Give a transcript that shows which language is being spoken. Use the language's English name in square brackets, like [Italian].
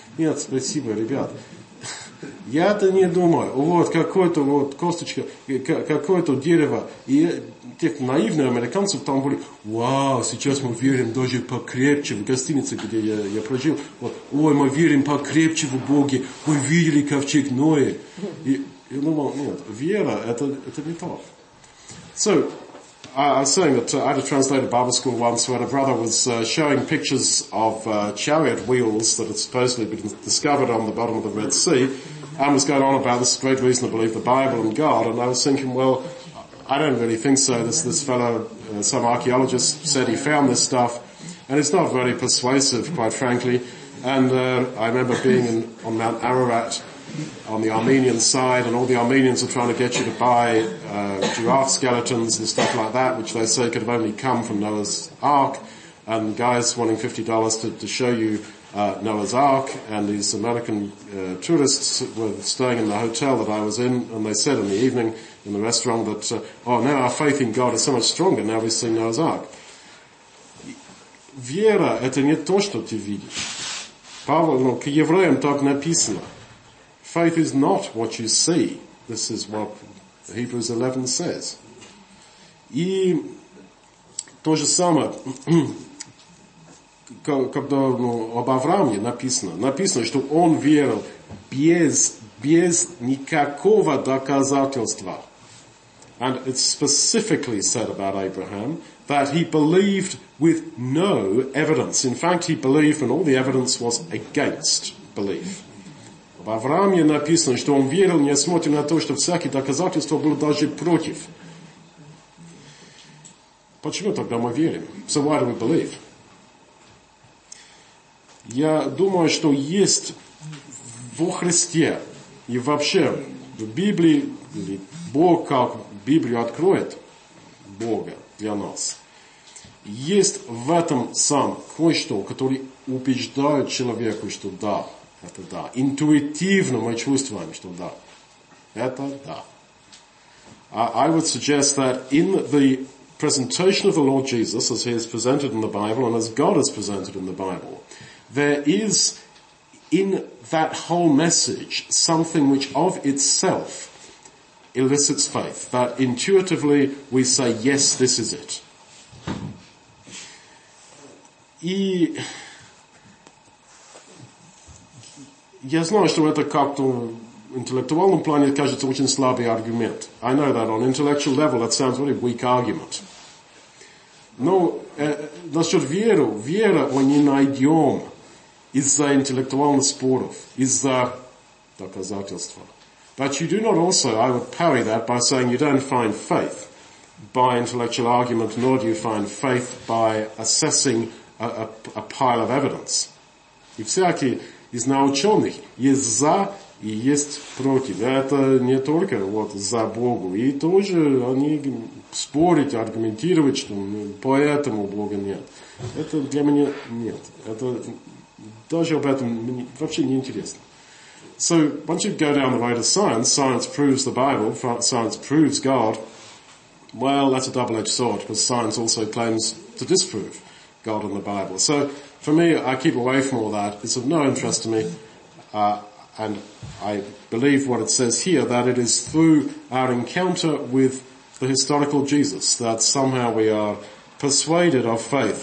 [Russian] Нет, спасибо, ребят. Я-то не думаю, вот какое-то вот косточка, какое-то дерево. И те наивные американцы там были, вау, сейчас мы верим даже покрепче в гостинице, где я прожил. Вот, ой, мы верим покрепче в Боге, мы видели ковчег Ноя. Я думал, нет, вера – это не то. [English] So, I was saying that I had a translator at Bible school once when a brother was showing pictures of chariot wheels that had supposedly been discovered on the bottom of the Red Sea and was going on about this great reason to believe the Bible and God. And I was thinking, well, I don't really think so. This fellow, some archaeologist, said he found this stuff. And it's not very persuasive, quite frankly. And I remember being on Mount Ararat on the Armenian side, and all the Armenians were trying to get you to buy giraffe skeletons and stuff like that, which they say could have only come from Noah's Ark. And guys wanting $50 to show you Noah's Ark, and these American tourists were staying in the hotel that I was in, and they said in the evening in the restaurant that, oh, now our faith in God is so much stronger, now we've seen Noah's Ark. [Russian] Вера — это не то, что ты видишь. Павел, ну, к евреям так написано. [English] Faith is not what you see. This is what Hebrews 11 says. [Russian] И то же самое... Когда, ну, об Аврааме написано, написано, что он верил без никакого доказательства. [English] And it's specifically said about Abraham that he believed with no evidence. In fact, he believed and all the evidence was against belief. [Russian] Об Аврааме написано, что он верил, несмотря на то, что всякие доказательства были даже против. Почему тогда мы верим? [English] So why do we believe? [Russian] Я думаю, что есть во Христе и вообще в Библии, или Бог как Библию откроет Бога для нас, есть в этом сам кое-что, которое убеждает человеку, что да, это да. Интуитивно мы чувствуем, что да, это да. [English] I would suggest that in the presentation of the Lord Jesus, as he is presented in the Bible, and as God is presented in the Bible, there is in that whole message something which of itself elicits faith, that intuitively we say, yes, this is it. [Russian] И я знаю, что это как-то в интеллектуальном плане кажется очень слабый аргумент. [English] I know that on intellectual level that sounds very weak argument. [Russian] Но насчет веры, вера мы не найдем из-за интеллектуальных споров, из-за доказательства. [English] But you do not also, I would parry that by saying you don't find faith by intellectual argument, nor do you find faith by assessing a pile of evidence. [Russian] И всякий из наученных есть за и есть против. Это не только вот за Богу. И тоже они спорить, аргументировать, что поэтому Бога нет. Это для меня нет. Это... Даже об этом вообще не интересно. [English] So, once you go down the road of science, science proves the Bible, science proves God, well, that's a double-edged sword, because science also claims to disprove God and the Bible. So, for me, I keep away from all that. It's of no interest to me. And I believe what it says here, that it is through our encounter with the historical Jesus that somehow we are persuaded of faith.